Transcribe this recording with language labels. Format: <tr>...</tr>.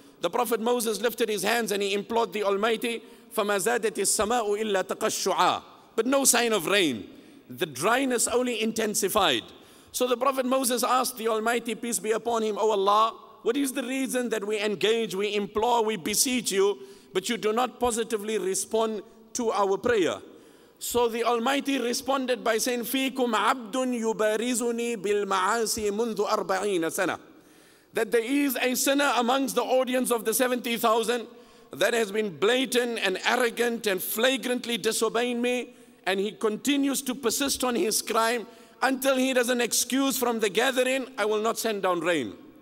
<en>The Prophet Moses lifted his hands and he implored the Almighty,</en> <ar>فَمَا زَادَتِ السَّمَاءُ إِلَّا تَقَشُّعَا.</ar> <en>But no sign of rain. The dryness only intensified. So the Prophet Moses asked the Almighty, peace be upon him, O Allah, what is the reason that we engage, we implore, we beseech you, but you do not positively respond to our prayer? So the Almighty responded by saying,</en> <ar>فِيكُمْ عَبْدٌ يُبَارِزُنِي بِالْمَعَاسِي مُنْذُ أَرْبَعِينَ سَنَةً.</ar> <en>That there is a sinner amongst the audience of the 70,000 that has been blatant and arrogant and flagrantly disobeying me, and he continues to persist on his crime until he does an excuse from the gathering, I will not send down rain.</en>